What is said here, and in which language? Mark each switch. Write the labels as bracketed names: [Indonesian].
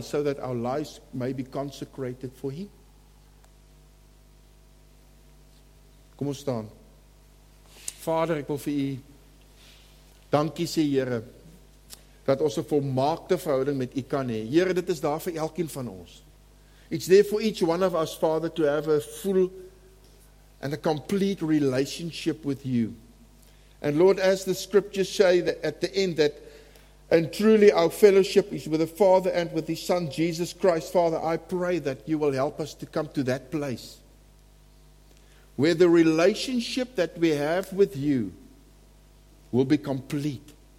[English] So that our lives may be consecrated for Him. [Afrikaans] Kom ons staan. Vader, ek wil vir U dankie sê, Here, dat ons 'n volmaakte verhouding met U kan hê. Here, dit is daar vir elkeen van ons. [English] It's there for each one of us, Father, to have a full and a complete relationship with You. And Lord, as the scriptures say that at the end, that and truly our fellowship is with the Father and with His Son, Jesus Christ, Father, I pray that You will help us to come to that place where the relationship that we have with You will be complete.